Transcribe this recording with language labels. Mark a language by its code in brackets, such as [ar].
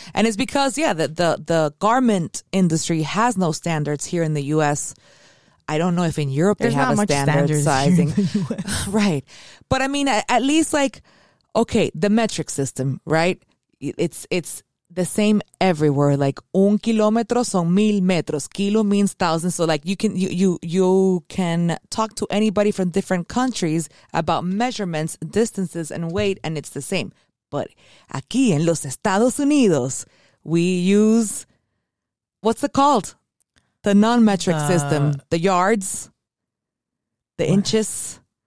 [en] And it's because, the garment industry has no standards here in the U.S. I don't know if in Europe there's not much standard sizing. Right. But I mean, at least the metric system, right? It's the same everywhere. [es] Like, un kilómetro son mil metros. [en] Kilo means thousand. So, like, you can talk to anybody from different countries about measurements, distances, and weight, and it's the same. But [es] aquí en los Estados Unidos, [en] we use, what's it called? The non-metric system. The yards. The inches.